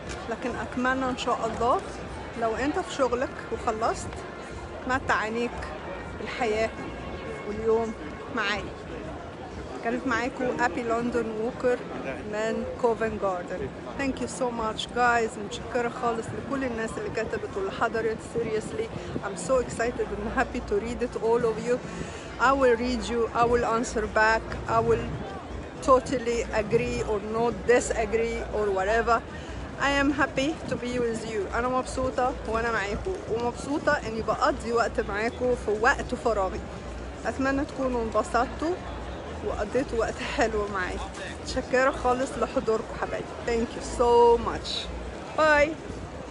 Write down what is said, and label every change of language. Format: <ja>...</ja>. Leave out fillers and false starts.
<ar>لكن اتمنى ان شاء الله لو انت في شغلك وخلصت تمتع عينيك بالحياة واليوم معي. كانت معاكو أبي لندن ووكر من كوفن جاردن.</ar> <en>Thank you so much guys.</en> <ar>متشكرة خالص لكل الناس اللي كتبت واللي حضرت.</ar> <en>Seriously I'm so excited and happy to read it all of you. I will read you, I will answer back, I will totally agree or not disagree or whatever. I am happy to be with you.</en> <ar>أنا مبسوطة وأنا معاكو، ومبسوطة أني بقضي وقت معاكو في وقت فراغي. أتمنى تكونوا انبسطتوا وقضيتوا وقت حلو معاكو. شكرا خالص لحضوركم حبايبي.</ar> <en>Thank you so much. Bye.</en>